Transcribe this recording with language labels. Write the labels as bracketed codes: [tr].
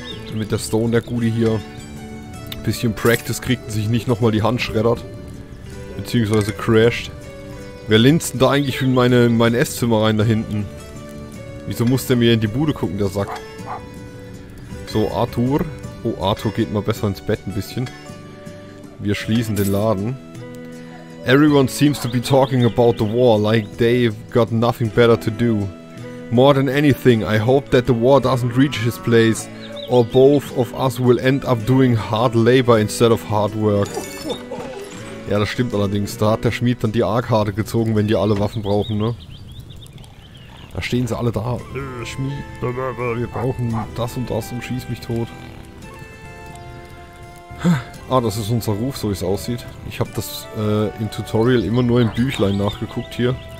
[de] Damit der Stone, der Gute hier, ein bisschen Practice kriegt und sich nicht nochmal die Hand schreddert. Beziehungsweise crasht. Wer linst denn da eigentlich in mein Esszimmer rein da hinten? Wieso muss der mir in die Bude gucken, der Sack? So, Arthur. Oh, Arthur geht mal besser ins Bett ein bisschen. Wir schließen den Laden. [en] Everyone seems to be talking about the war, like they've got nothing better to do. More than anything, I hope that the war doesn't reach his place, or both of us will end up doing hard labor instead of hard work. [de] Ja, das stimmt allerdings. Da hat der Schmied dann die A-Karte gezogen, wenn die alle Waffen brauchen, ne? Da stehen sie alle da. Schmied, wir brauchen das und das und schieß mich tot. Ah, das ist unser Ruf, so wie es aussieht. Ich habe das im Tutorial immer nur im Büchlein nachgeguckt hier.